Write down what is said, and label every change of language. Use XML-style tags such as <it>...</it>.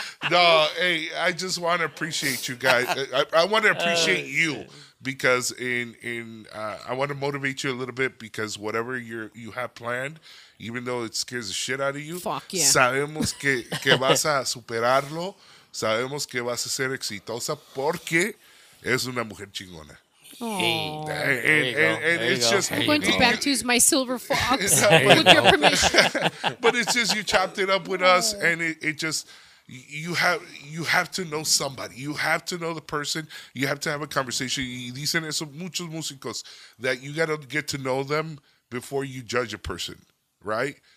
<en>No, hey, I just want to appreciate you guys. I want to appreciate you. Because I want to motivate you a little bit, because whatever you have planned, even though it scares the shit out of you, fuck yeah.</en> <es>Sabemos que vas a superarlo, sabemos que vas a ser exitosa porque es una mujer chingona.</es> <en>I'm going to baptize my silver fox with your permission. But it's just you chopped it up with us, and it just. You have to know somebody. You have to know the person. You have to have a conversation.</en> <es>Dicen eso muchos músicos,</es> <en>that you got to get to know them before you judge a person, right?</en>